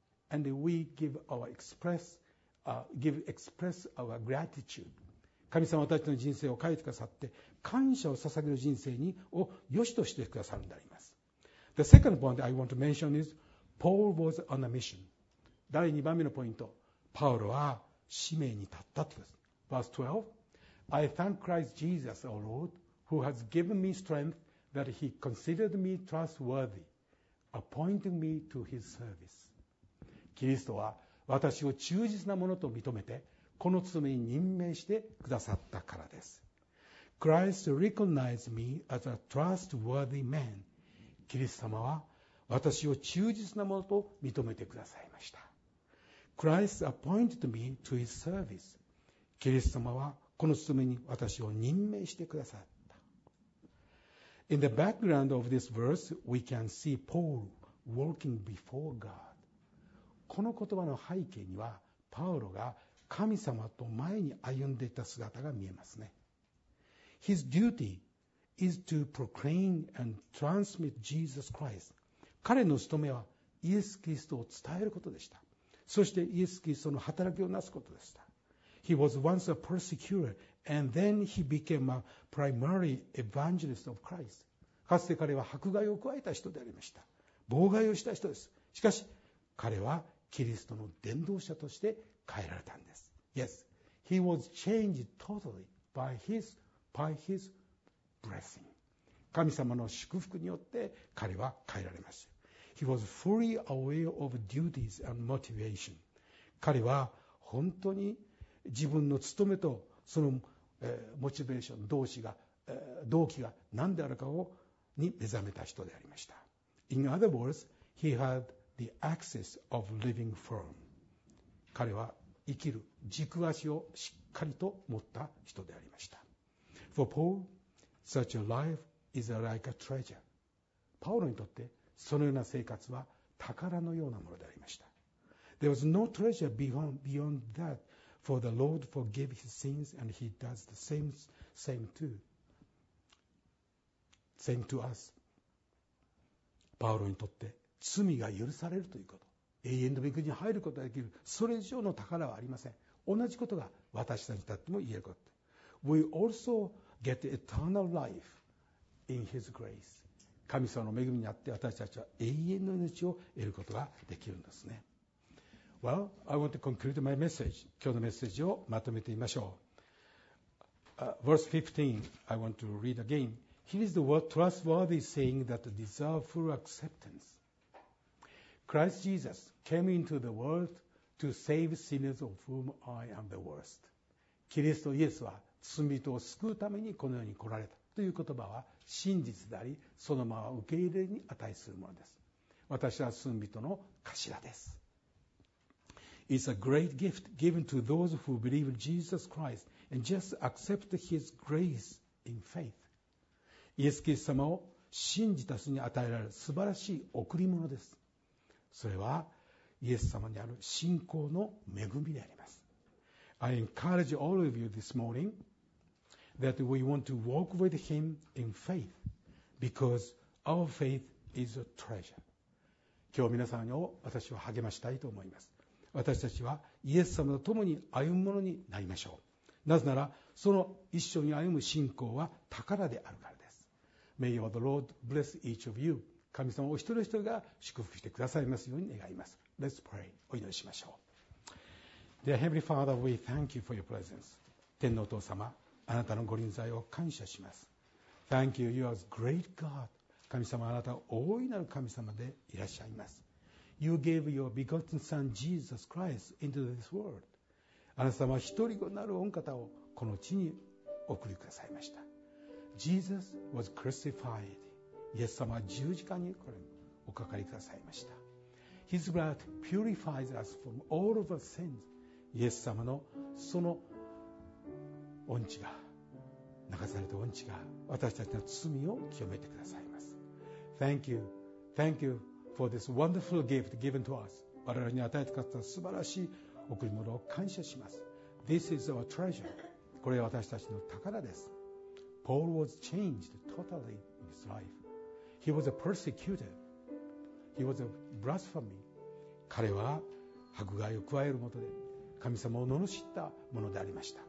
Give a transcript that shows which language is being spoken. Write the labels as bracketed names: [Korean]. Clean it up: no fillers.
[English] And we give our express our gratitude. [Japanese] 神様は私の人生を変えてくださって、感謝を捧げる人生を良しとしてくださるんであります。 [English] The second point I want to mention is, Paul was on a mission. [Japanese] 第2番目のポイント、パウロは使命に立ったということです。 [English] Verse 12, I thank Christ Jesus, our Lord, who has given me strength that he considered me trustworthy, appointing me to his service. [Japanese] キリストは私を忠実なものと認めて、この務めに任命してくださったからです。 [English] Christ recognized me as a trustworthy man. [Japanese] キリスト様は私を忠実なものと認めてくださいました。 [English] Christ appointed me to his service. [Japanese] キリスト様はこの務めに私を任命してくださった。 [English] In the background of this verse, we can see Paul walking before God. [Japanese] この言葉の背景にはパウロが神様と前に歩んでいた姿が見えますね。 [English] His duty is to proclaim and transmit Jesus Christ. [Japanese] 彼の務めはイエス・キリストを伝えることでした。そしてイエス・キリストの働きをなすことでした。 [English] He was once a persecutor and then he became a primary evangelist of Christ. [Japanese] かつて彼は迫害を加えた人でありました。妨害をした人です。しかし彼はキリストの伝道者として変えられたんです。 [English] Yes, he was changed totally by his blessing. [Japanese] 神様の祝福によって彼は変えられました。 [English] He was fully aware of duties and motivation. [Japanese] 彼は本当に自分の務めとその、モチベーション、動機が何であるかに目覚めた人でありました。 [English] In other words, he had the axis of living firm. [Japanese] 彼は生きる軸足をしっかりと持った人でありました。 [English] For Paul, such a life is like a treasure. [Japanese] パウロにとってそのような生活は宝のようなものでありました。 [English] There was no treasure beyond that, for the Lord forgave his sins and he does the same to us. [Japanese] パウロにとって罪が許されるということ、永遠の御国に入ることができる、それ以上の宝はありません。同じことが私たちにとっても言えること。 [English] We also get eternal life in his grace. [Japanese] 神様の恵みにあって私たちは永遠の命を得ることができるんですね。 [English] Well, I want to conclude my message. [Japanese] 今日のメッセージをまとめてみましょう。 [English] Verse 15, I want to read again. Here is the word trustworthy saying that deserves full acceptance. Christ Jesus came into the world to save sinners of whom I am the worst. [Japanese] キリストイエスは罪人を救うためにこの世に来られたという言葉は真実であり、そのまま受け入れに値するものです。私は罪人の頭です。 [English] It's a great gift given to those who believe Jesus Christ and just accept his grace in faith. [Japanese] イエス・キリスト様を信じた人に与えられる素晴らしい贈り物です。それはイエス様にある信仰の恵みであります。 [English] I encourage all of you this morning that we want to walk with him in faith because our faith is a treasure. [Japanese] 今日皆さんを私は励ましたいと思います。私たちはイエス様と共に歩むものになりましょう。なぜならその一緒に歩む信仰は宝であるからです。 [English] May the Lord bless each of you. [Japanese] 神様お一人一人が祝福してくださいますように願います。 [English] Let's pray. [Japanese] お祈りしましょう。 [English] Dear Heavenly Father, we thank you for your presence. [Japanese] 天のお父様、あなたのご臨在を感謝します。 [English] Thank you, you are a great God. [Japanese] 神様、あなたは大いなる神様でいらっしゃいます。 [English] You gave your begotten Son, Jesus Christ, into this world. [Japanese] あなた様は一人子なる御方をこの地に送りくださいました。 [English] Jesus was crucified. [Japanese] イエス様は十字架にこれおかかりくださいました。 [English] His blood purifies us from all of our sins. [Japanese] イエス様のその御血が、流された御血が私たちの罪を清めてくださいます。 [English] Thank you. Thank you for this wonderful gift given to us. [Japanese] 我々に与えてくださった素晴らしい贈り物を感謝します。 [English] This is our treasure. [Japanese] これは私たちの宝です。 [English] Paul was changed totally in his life. He was a persecutor. He was a blasphemy. [Japanese] 彼は迫害を加えるもとで神様を罵ったものでありました。